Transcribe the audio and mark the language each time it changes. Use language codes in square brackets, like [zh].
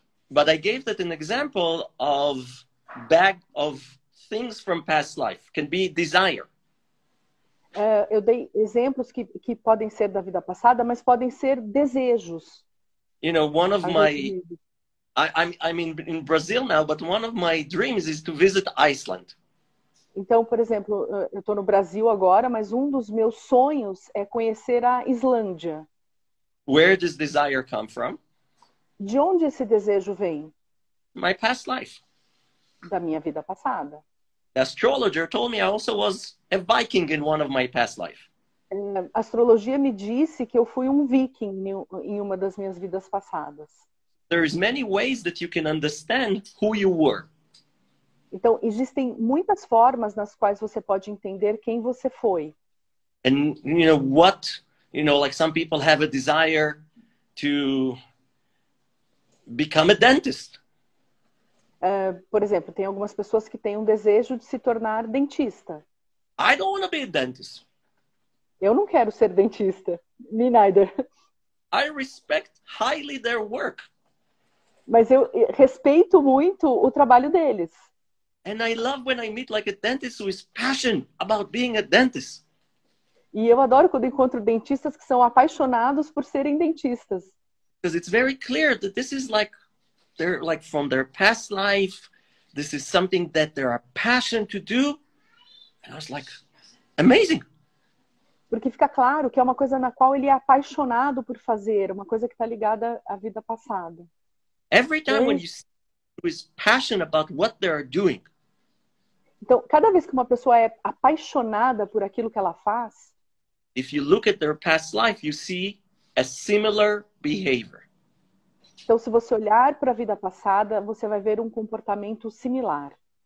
[en] But I gave that an example of bag of things from past life. Can be desire. [pt] Eu dei exemplos que podem ser da vida passada, mas podem ser desejos. [en] You know, one of my, I'm in Brazil now, but one of my dreams is to visit Iceland. [pt] Então, por exemplo, eu estou no Brasil agora, mas um dos meus sonhos é conhecer a Islândia. [en] Where does desire come from? [pt] De onde esse desejo vem? [en] My past life. [pt] Da minha vida passada. [en] The astrologer told me I also was a Viking in one of my past life. [pt] A astrologia me disse que eu fui um viking em uma das minhas vidas passadas. [en] There is many ways that you can understand who you were. [pt] Então, existem muitas formas nas quais você pode entender quem você foi. [en] And you know what, you know, like some people have a desire to become a dentist. [pt] Por exemplo, tem algumas pessoas que têm um desejo de se tornar dentista. [en] I don't want to be a dentist. [pt] Eu não quero ser dentista. [en] Me neither. I respect highly their work. [pt] Mas eu respeito muito o trabalho deles. [en] And I love when I meet like a dentist who is passionate about being a dentist. [pt] E eu adoro quando encontro dentistas que são apaixonados por serem dentistas. [en] Because it's very clear that this is like they're like from their past life. This is something that they are passionate to do. And I was like, amazing. [pt] Porque fica claro que é uma coisa na qual ele é apaixonado por fazer, uma coisa que está ligada à vida passada. [en] Every time when you see is passionate about what they are doing. [pt] Então, cada vez que uma pessoa é apaixonada por aquilo que ela faz, [en] if you look at their past life, you see a similar behavior. [pt] Então, se você olhar para a vida passada, você vai ver um comportamento similar.